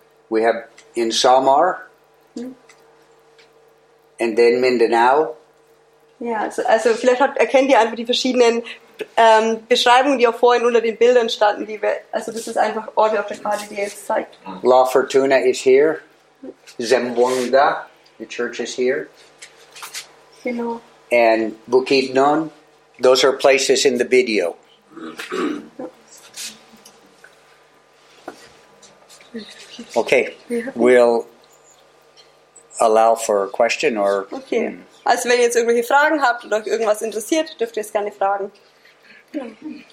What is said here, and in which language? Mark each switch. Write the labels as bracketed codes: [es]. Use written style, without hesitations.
[en] We have in Samar. And then Mindanao. [de] Ja, also vielleicht erkennt ihr einfach die verschiedenen Beschreibungen, die auch vorhin unter den Bildern standen. Also das ist einfach Orte auf der Karte, die ihr jetzt zeigt. [en] La Fortuna is here. Zamboanga, the church is here. [de] Genau. [en] And Bukidnon, those are places in the video. Okay, we'll allow for a question or... [de] Okay, also wenn ihr jetzt irgendwelche Fragen habt oder euch irgendwas interessiert, dürft ihr es gerne fragen.